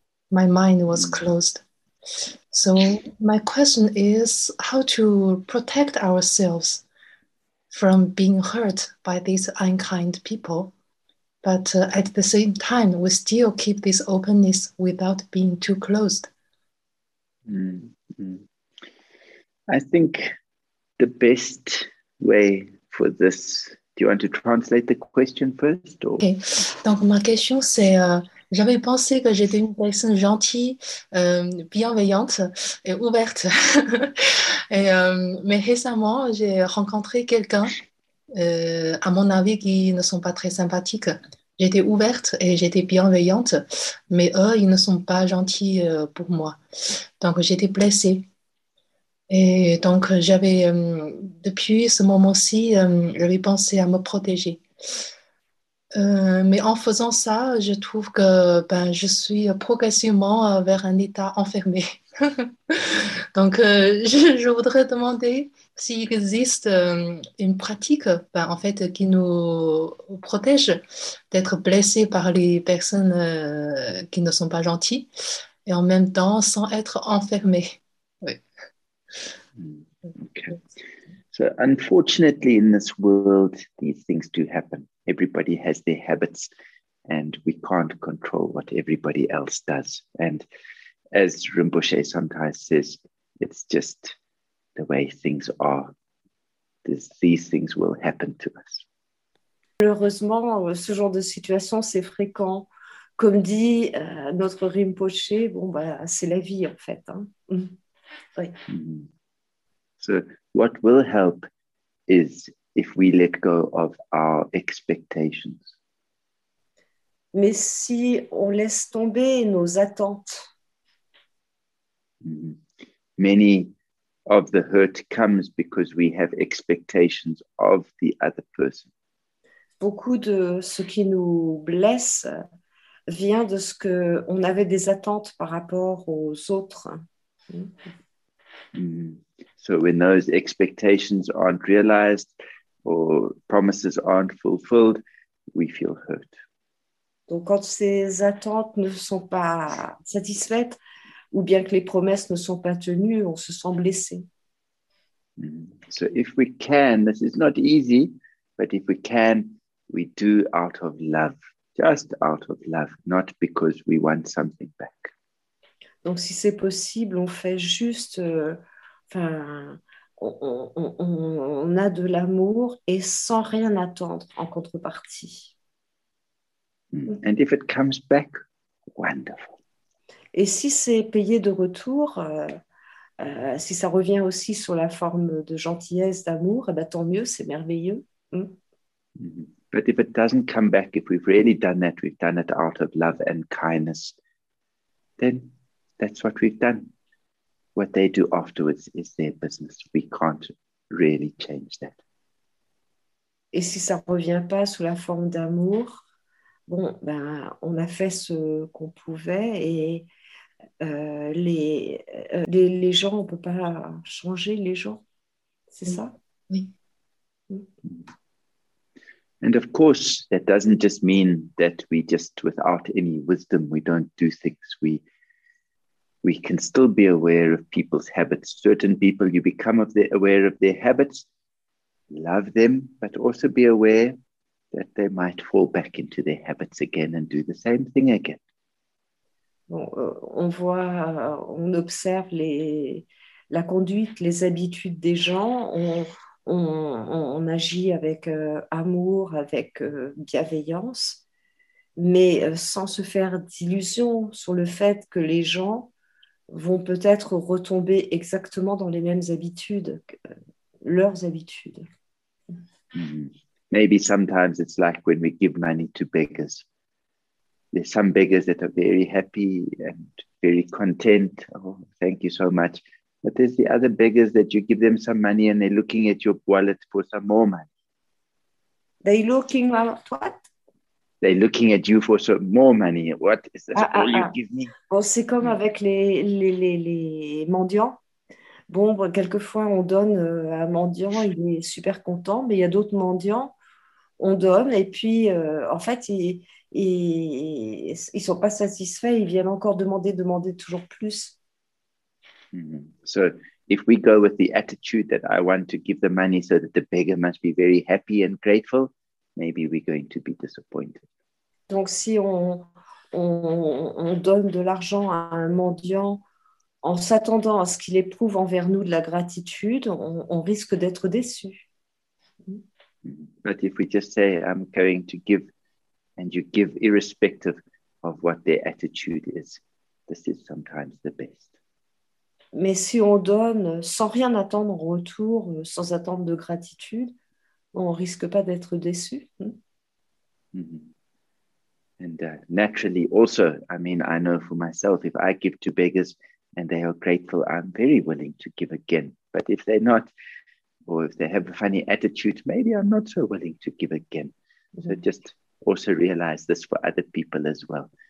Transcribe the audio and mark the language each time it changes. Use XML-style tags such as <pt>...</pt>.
<en>My mind was closed. So my question is how to protect ourselves from being hurt by these unkind people, but at the same time, we still keep this openness without being too closed. I think the best way for this, do you want to translate the question first or?</en> <fr>Donc ma question c'est, j'avais pensé que j'étais une personne gentille, bienveillante et ouverte. mais récemment, j'ai rencontré quelqu'un, à mon avis, qui ne sont pas très sympathiques. J'étais ouverte et j'étais bienveillante, mais eux, ils ne sont pas gentils, pour moi. Donc j'étais blessée. Et donc j'avais, depuis ce moment-ci, j'avais pensé à me protéger. Mais en faisant ça, je trouve que ben, je suis progressivement vers un état enfermé. Donc, je voudrais demander s'il existe une pratique ben, en fait, qui nous protège d'être blessé par les personnes qui ne sont pas gentilles et en même temps sans être enfermé. Oui.</fr> <en>Okay. So unfortunately, in this world, these things do happen. Everybody has their habits, and we can't control what everybody else does. And as Rinpoche sometimes says, it's just the way things are. These things will happen to us.</en> <fr>Malheureusement, ce genre de situation, c'est fréquent. Comme dit notre Rinpoché, bon, bah, c'est la vie en fait. Hein. Oui.</fr> <en>So what will help is if we let go of our expectations.</en> <fr>Mais si on laisse tomber nos attentes.</fr> <en>Many of the hurt comes because we have expectations of the other person.</en> <fr>Beaucoup de ce qui nous blesse vient de ce que on avait des attentes par rapport aux autres.</fr> <en>So when those expectations aren't realized or promises aren't fulfilled, we feel hurt.</en> <fr>Donc, quand ces attentes ne sont pas satisfaites, ou bien que les promesses ne sont pas tenues, on se sent blessé.</fr> <en>So if we can, this is not easy, but if we can, we do out of love, just out of love, not because we want something back.</en> <fr>Donc, si c'est possible, on fait juste, enfin, on a de l'amour et sans rien attendre en contrepartie.</fr> <en>And if it comes back, wonderful.</en> <fr>Et si c'est payé de retour, si ça revient aussi sous la forme de gentillesse, d'amour, eh ben, tant mieux, c'est merveilleux.</fr> <en>But if it doesn't come back, if we've really done that, we've done it out of love and kindness, then that's what we've done. What they do afterwards is their business. We can't really change that.</en> <fr>Et si ça revient pas sous la forme d'amour, bon, ben, on a fait ce qu'on pouvait et les gens, on peut pas changer les gens, c'est ça? Oui.</fr> <en>And of course, that doesn't just mean that we just, without any wisdom, we don't do things. We can still be aware of people's habits. Certain people, you become aware of their habits, love them, but also be aware that they might fall back into their habits again and do the same thing again.</en> <fr>On voit, on observe la conduite, les habitudes des gens, on agit avec amour, avec bienveillance, mais sans se faire d'illusions sur le fait que les gens vont peut-être retomber exactement dans les mêmes habitudes, leurs habitudes.</fr> <en>Maybe sometimes it's like when we give money to beggars. There's some beggars that are very happy and very content. Oh, thank you so much. But there's the other beggars that you give them some money and they're looking at your wallet for some more money. They're looking at what? They're looking at you for some more money. What is this? All you give me?</en> <fr>Bon, c'est comme avec les mendiants. Bon, quelquefois, on donne à un mendiant, il est super content, mais il y a d'autres mendiants, on donne, et puis, en fait, ils sont pas satisfaits, ils viennent encore demander toujours plus.</fr> <en>So, if we go with the attitude that I want to give the money so that the beggar must be very happy and grateful, maybe we're going to be disappointed.</en> <fr>Donc, si on donne de l'argent à un mendiant, en s'attendant à ce qu'il éprouve envers nous de la gratitude, on risque d'être déçu.</fr> <en>But if we just say, I'm going to give, and you give irrespective of what their attitude is, this is sometimes the best.</en> <fr>Mais si on donne sans rien attendre en retour, sans attendre de gratitude, on risque pas d'être déçu.</fr> <en>And naturally also, I mean, I know for myself, if I give to beggars, and they are grateful, I'm very willing to give again. But if they're not, or if they have a funny attitude, maybe I'm not so willing to give again. Mm-hmm. So just also realize this for other people as well.</en>